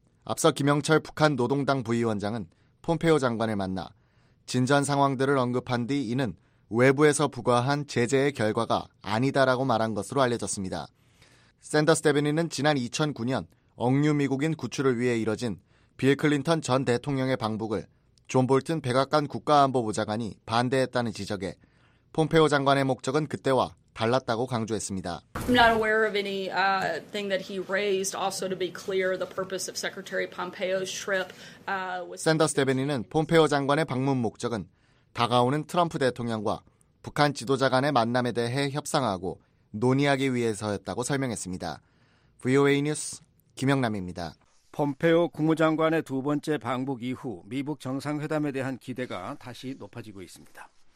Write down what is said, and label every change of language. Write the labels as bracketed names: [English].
[Korean] 앞서 김영철 북한 노동당 부위원장은 폼페오 장관을 만나 진전 상황들을 언급한 뒤 이는 외부에서 부과한 제재의 결과가 아니다라고 말한 것으로 알려졌습니다. 샌더스 대변인은 지난 2009년 억류 미국인 구출을 위해 이뤄진 빌 클린턴 전 대통령의 방북을 존 볼튼 백악관 국가안보부장관이 반대했다는 지적에 폼페오 장관의 목적은 그때와 달랐다고 강조했습니다. [English] I'm not aware of any thing that he raised. Also, to be clear, the purpose of Secretary Pompeo's trip was. [Korean] 샌더스 대변인은 폼페오 장관의 방문 목적은 다가오는 트럼프 대통령과 북한 지도자 간의 만남에 대해 협상하고 논의하기 위해서였다고 설명했습니다. VOA 뉴스 김영남입니다. 폼페오 국무장관의 두 번째 방북 이후 미북 정상회담에 대한 기대가 다시 높아지고 있습니다.